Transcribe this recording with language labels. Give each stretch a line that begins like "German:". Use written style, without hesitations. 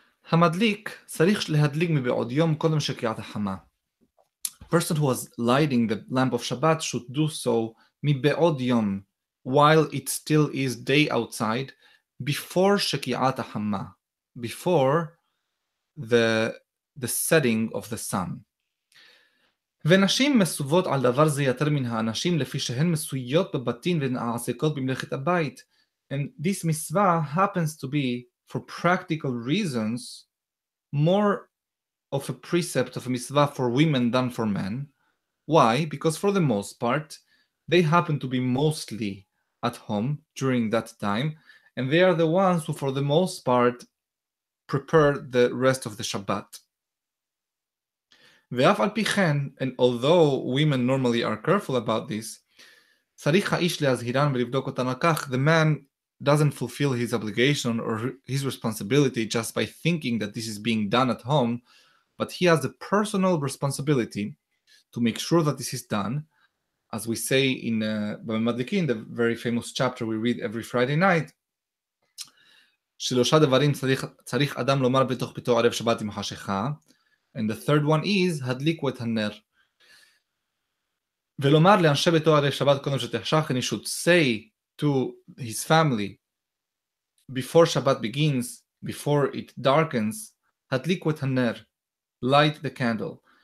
Hebrew: המדליק צריך להדליק מבעוד יום קודם שקיעת החמה.
English: Person who was lighting the lamp of Shabbat should do so
Hebrew: מבעוד יום,
English: while it still is day outside, before
Hebrew: שקיעת החמה,
English: before the setting of the sun.
Hebrew: ונשים מסובות על דבר זה יותר מן האנשים לפי שהן מסויות בבתים ונעסקות במלאכת הבית.
English: And this מצווה happens to be, for practical reasons, more of a precept of a mitzvah for women than for men. Why? Because for the most part, they happen to be mostly at home during that time, And they are the ones who, for the most part, prepare the rest of the Shabbat.
Hebrew: Ve'af al pichen,
English: and although women normally are careful about this,
Hebrew: sarich ha'ish le'azhiran ve'livdok otan akach,
English: the man doesn't fulfill his obligation or his responsibility just by thinking that this is being done at home, but he has a personal responsibility to make sure that this is done. As we say in Bava Madlikin, the very famous chapter we read every Friday night,
Hebrew: שלושה דברים צריך אדם לומר בתוך ביתו ערב שבת עם חשיכה.
English: And the third one is,
Hebrew: הדליקו את הנר. ולומר לאנשי ביתו ערב שבת קודם שתחשך,
English: and he should say to his family, before Shabbat begins, before it darkens,
Hebrew: הדליקו את הנר,
English: light the candle.